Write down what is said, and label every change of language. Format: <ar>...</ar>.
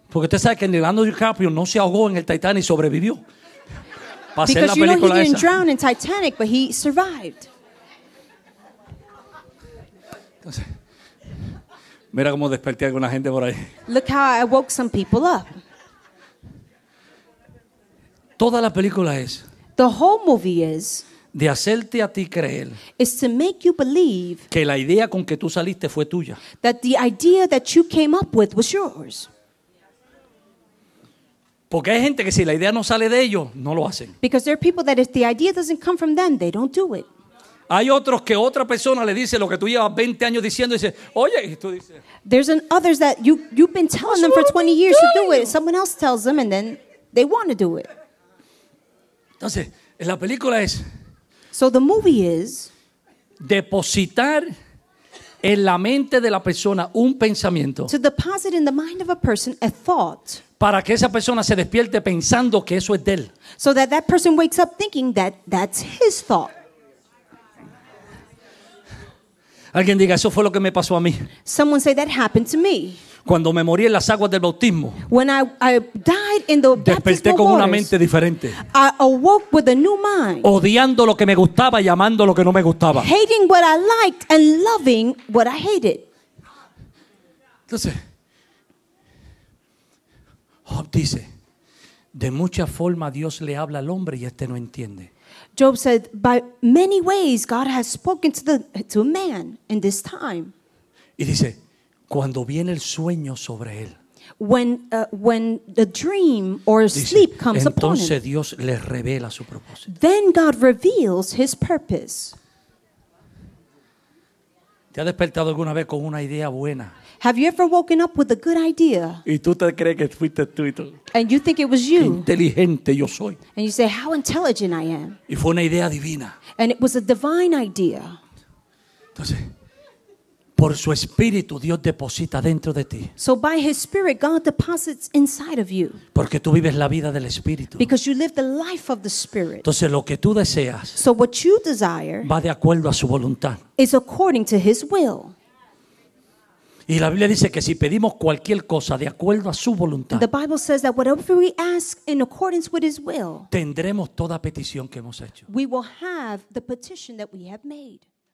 <es>Porque usted sabe que Leonardo DiCaprio no se ahogó en el Titanic y sobrevivió.</es> <en>Because you know he didn't drown in Titanic, but he survived.</en> <es>Mira cómo desperté a alguna gente por ahí.</es> <en>Look how I woke some people up.</en> <es>Toda la película es.</es> <en>The whole movie is.</en> <es>De hacerte a ti creer.</es> <en>Is to make you believe.</en> <es>Que la idea con que tú saliste fue tuya.</es> <en>That the idea that you came up with was yours.</en> <es>Porque hay gente que si la idea no sale de ellos, no lo hacen.</es> <en>Because there are people that if the idea doesn't come from them, they don't do it.</en> <es>Hay otros que otra persona le dice lo que tú llevas 20 años diciendo y dice, oye, y tú dices.</es> <en>There's an others that you've been telling them for 20 years to do it. Someone else tells them and then they want to do it.</en> <es>Entonces, la película es.</es> <en>So the movie is.</en> <es>Depositar en la mente de la persona un pensamiento.</es> <en>To deposit in the mind of a person a thought.</en> <es>Para que esa persona se despierte pensando que eso es de él.</es> <en>So that that person wakes up thinking that that's his thought.</en> <es>Alguien diga, eso fue lo que me pasó a mí.</es> <en>Someone say that happened to me.</en> <es>Cuando me morí en las aguas del bautismo.</es> <en>When I died in the baptismal waters.</en> <es>Desperté con una mente diferente.</es> <en>I awoke with a new mind.</en> <es>Odiando lo que me gustaba y amando lo que no me gustaba.</es> <en>Hating what I liked and loving what I hated.</en> <es>Entonces, Job dice, de muchas formas Dios le habla al hombre y este no entiende.</es> <en>Job said, by many ways God has spoken to a man in this time.</en> <es>Y dice, cuando viene el sueño sobre él.</es> <en>When the dream or sleep comes upon him.</en> <es>Entonces Dios le revela su propósito.</es> <en>Then God reveals his purpose.</en> <es>¿Te ha despertado alguna vez con una idea buena?</es> <en>Have you ever woken up with a good idea?</en> <es>¿Y tú te crees que fuiste tú y tú?</es> <en>And you think it was you.</en> <es>Qué inteligente yo soy.</es> <en>And you say, how intelligent I am.</en> <es>Y fue una idea divina.</es> <en>And it was a divine idea.</en> <es>Entonces, por su espíritu, Dios deposita dentro de ti.</es> <en>So by his spirit, God deposits inside of you.</en> <es>Porque tú vives la vida del espíritu.</es> <en>Because you live the life of the spirit.</en> <es>Entonces, lo que tú deseas.</es> <en>So what you desire.</en> <es>Va de acuerdo a su voluntad.</es> <en>Is according to his will.</en> <es>Y la Biblia dice que si pedimos cualquier cosa de acuerdo a su voluntad,</es> <en>the Bible says that whatever we ask in accordance with his will,</en> <es>tendremos toda petición que hemos hecho.</es> <en>We will have the petition that we have made.</en>